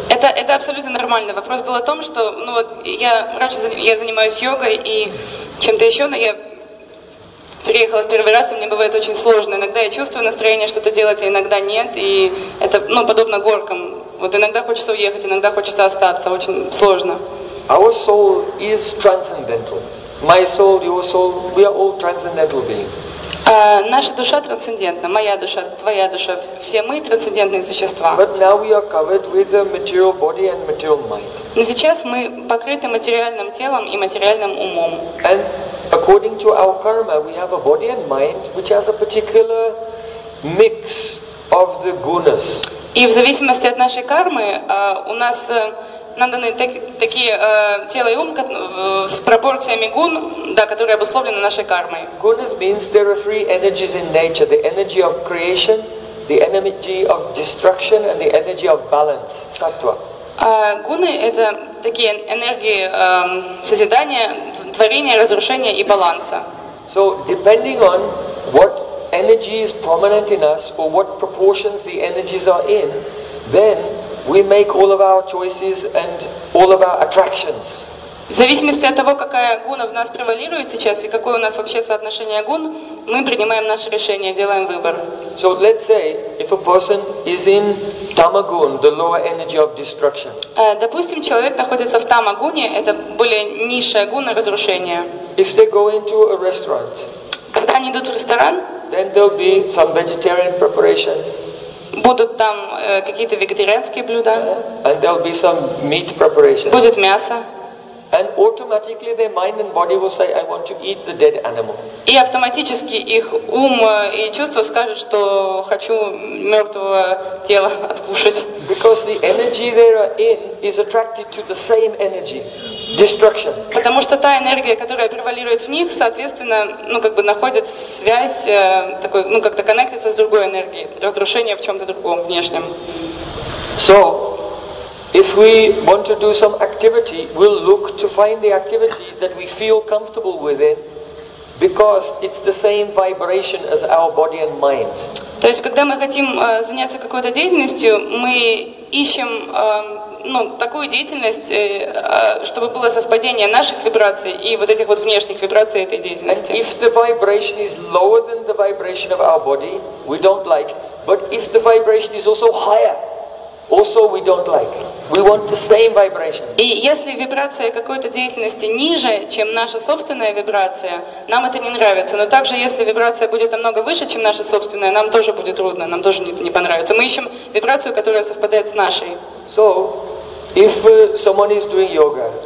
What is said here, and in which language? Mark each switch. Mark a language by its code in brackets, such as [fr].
[ru] Это абсолютно нормально. Вопрос был о том, что, ну вот, я раньше занимаюсь йогой и чем-то еще, но я приехала в первый раз, и мне бывает очень сложно. Иногда я чувствую настроение что-то делать, а иногда нет. И это, ну, подобно горкам. Вот иногда хочется уехать, иногда хочется остаться. Очень сложно. [en] Our soul is transcendental. My soul, your soul, we are all transcendental beings. [ru] Наша душа трансцендентна, моя душа, твоя душа, все мы трансцендентные существа. [en] But now we are covered with a material body and material mind. [ru] Но сейчас мы покрыты материальным телом и материальным умом. [en] And according to our karma, we have a body and mind which has a particular mix of the gunas. [ru] И в зависимости от нашей кармы, у нас нам даны такие тело и ум с пропорциями гун, да, которые обусловлены нашей кармой. [en] Gunas means there are three energies in nature: the energy of creation, the energy of destruction, and the energy of balance, sattva. [ru] Гуны — это такие энергии созидания, творения, разрушения и баланса. [en] So depending on what energy is prominent in us or what proportions the energies are in, then we make all of our choices and all of our attractions. [ru] В зависимости от того, какая гуна в нас превалирует сейчас и какое у нас вообще соотношение гун, мы принимаем наши решения, делаем выбор. [en] So let's say if a person is in tamagun, the lower energy of destruction. [ru] Допустим, человек находится в тамагуне, это более низшая гуна разрушения. [en] If they go into a restaurant. [ru] Когда они идут в ресторан? [en] Then there'll be some vegetarian preparation. [ru] Будут там какие-то вегетарианские блюда. [en] And there'll be some meat preparation. [ru] Будет мясо. [en] And automatically their mind and body will say, I want to eat the dead animal. [ru] И автоматически их ум и чувства скажут, что хочу мертвого тела откушать. [en] Because the energy they are in is attracted to the same energy, destruction. [ru] Потому что та энергия, которая превалирует в них, соответственно, ну как бы находит связь такой, ну как-то коннектится с другой энергией, разрушение в чем-то другом, внешнем. [en] So if we want to do some activity, we'll look to find the activity that we feel comfortable with it, because it's the same vibration as our body and mind. [ru] То есть, когда мы хотим заняться какой-то деятельностью, мы ищем такую деятельность, чтобы было совпадение наших вибраций и вот этих вот внешних вибраций этой деятельности. [en] And if the vibration is lower than the vibration of our body, we don't like. But if the vibration is also higher, also we don't like. We want the same vibration. [ru] И если вибрация какой-то деятельности ниже, чем наша собственная вибрация, нам это не нравится. Но также, если вибрация будет намного выше, чем наша собственная, нам тоже будет трудно, нам тоже это не понравится. Мы ищем вибрацию, которая совпадает с нашей. [en] So, if someone is doing yoga.